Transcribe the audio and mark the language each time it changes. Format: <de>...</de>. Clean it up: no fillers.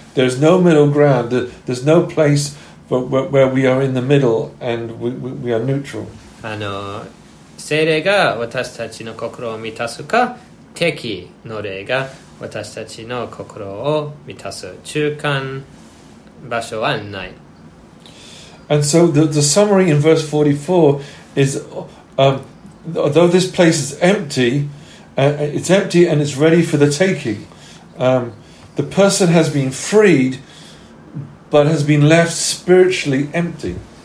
<en>There's no middle ground. There's no place where we are in the middle and we are neutral.</en> <ja>聖霊が私たちの心を満たすか、敵の霊が私たちの心を満たす。中間場所はない。</ja> <en>And so the summary in verse 44 is although this place is empty, it's empty and it's ready for the taking. The person has been freed, but has been left spiritually empty.</en>